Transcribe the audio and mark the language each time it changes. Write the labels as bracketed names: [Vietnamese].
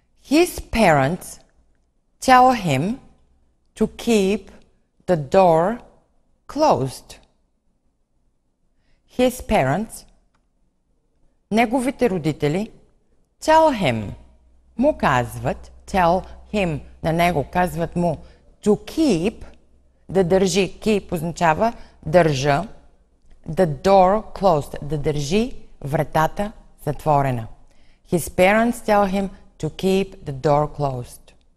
[English] His parents tell him to keep the door closed. His parents, [Bulgarian] неговите родители, [English] tell him, [Bulgarian] му казват, tell him, на него казват му, [English] to keep, [Bulgarian] да държи, keep означава държа, [English] the door closed, [Bulgarian] да държи вратата затворена. [English] His parents tell him to keep the door closed.